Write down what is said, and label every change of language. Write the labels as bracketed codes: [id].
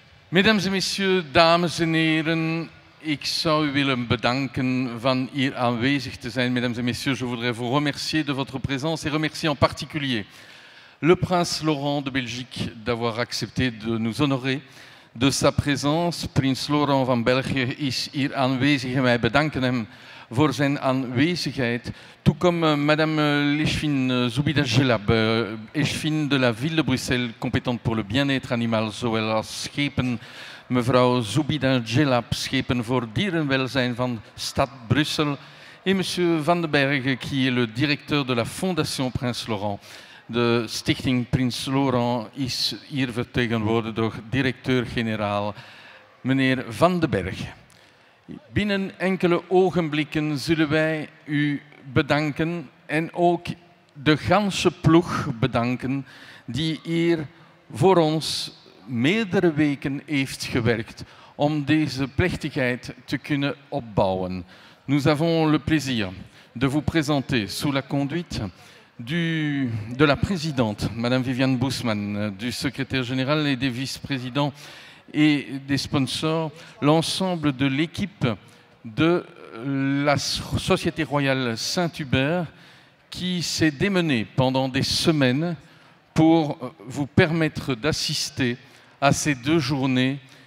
[fr] Mesdames et messieurs, [nl] dames en heren, ik zou u willen bedanken van hier aanwezig te zijn. [fr] Mesdames et messieurs, je voudrais vous remercier de votre présence et remercier en particulier le prince Laurent de Belgique d'avoir accepté de nous honorer de sa présence. [nl] Prins Laurent van België is hier aanwezig en wij bedanken hem voor zijn aanwezigheid. [fr] Tout comme madame l'échevine Zoubida Gelab, échevine de la ville de Bruxelles, compétente pour le bien-être animal, [nl] zowel als schepen mevrouw Zoubida Gelab, schepen voor dierenwelzijn van stad Brussel. [fr] Et monsieur Van den Berge, qui est le directeur de la Fondation Prince Laurent. [nl] De stichting Prince Laurent is hier vertegenwoordigd door directeur-generaal meneer Van den Berge. Binnen enkele ogenblikken zullen wij u bedanken en ook de ganse ploeg bedanken die hier voor ons meerdere weken heeft gewerkt om deze plechtigheid te kunnen opbouwen. [fr] Nous avons le plaisir de vous présenter sous la conduite de la présidente, madame Viviane Boussman, du secrétaire général et des vice-présidents et des sponsors, l'ensemble de l'équipe de la Société Royale Saint-Hubert qui s'est démenée pendant des semaines pour vous permettre d'assister à ces deux journées,